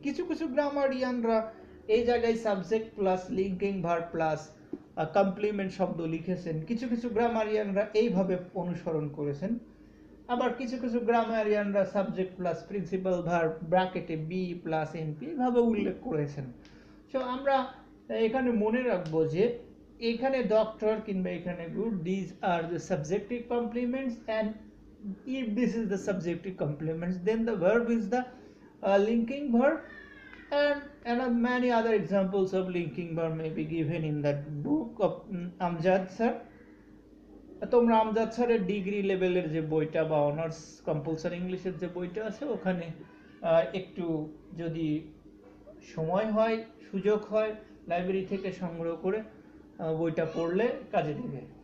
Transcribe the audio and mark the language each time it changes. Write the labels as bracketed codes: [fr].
[bn] কিছু কিছু গ্রামারিয়ানরা এই জায়গায় subject plus linking verb plus complement শব্দ লিখেছেন, কিছু কিছু গ্রামারিয়ানরা এইভাবে অনুসরণ করেছেন, আবার কিছু কিছু গ্রামারিয়ানরা সাবজেক্ট প্লাস প্রিন্সিপাল ভার্ব ব্র্যাকেটে বি প্লাস এনপি এইভাবে উল্লেখ করেছেন। সো আমরা এখানে মনে রাখবো যে এখানে ডক্টর কিংবা এখানে good, [en] These are the subjective complements, and if this is the subjective complement, then the verb is the linking verb, and many other examples of linking verb may be given in that book of Amjad sir. [bn] তোমরা আমজাদ স্যারের degree লেভেলের যে বইটা বা honours compulsory ইংলিশের যে বইটা আছে ওখানে একটু যদি সময় হয় সুযোগ হয় লাইব্রেরি থেকে সংগ্রহ করে বইটা পড়লে কাজে দেবে।